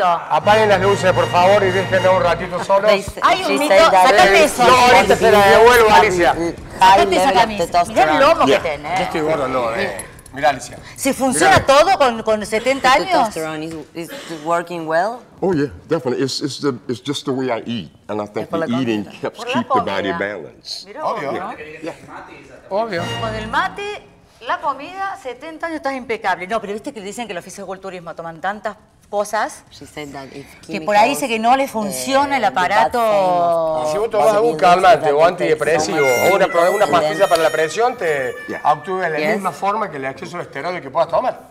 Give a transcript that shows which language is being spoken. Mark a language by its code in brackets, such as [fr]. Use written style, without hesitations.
[es] Apaguen las luces, por favor, y déjenme un ratito solos. Hay un mito, sacate eso. No, ahorita se la devuelvo, Alicia. Sacate esa camisa. Mirá el lomo que tenés. Yo estoy gordo, no, Mirá, Alicia. ¿Se funciona todo con 70 años? [en] Is working well? Oh, yeah, definitely. It's just the way I eat. And I think the eating helps keep the body balanced. [es] Obvio. [en] Yeah. Yeah. [es] Obvio. Con el mate, la comida, 70 años estás impecable. No, pero viste que dicen que los fisioculturismo toman tantas cosas que por ahí dice que no le funciona el aparato. Si vos tomás un calmante o antidepresivo o una pastilla para la presión, te actúa de la misma forma que el acceso al esteroide que puedas tomar.